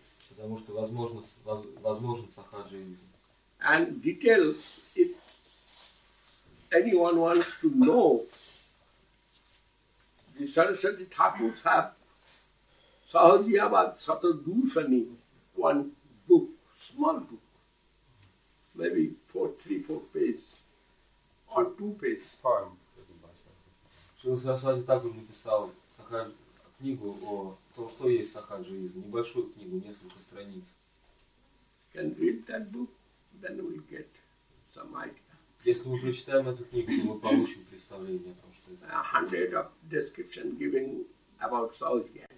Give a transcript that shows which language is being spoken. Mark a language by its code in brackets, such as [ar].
[ru] Потому что возможен сахаджаизм. [en] And details, if anyone wants to know, the Saraswati Thakur have Sahajiyabad Satadushani, one book, small book, maybe three, four pages, or two pages. Poem. [ru] Saraswati Thakur написал книгу о том, что есть сахаджаизм. Небольшую книгу, несколько страниц. [en] Can read that book, then we'll get some idea. [ru] Если мы прочитаем эту книгу, то мы получим представление о том, что это. [en] 100 of description giving about sahajiyabad.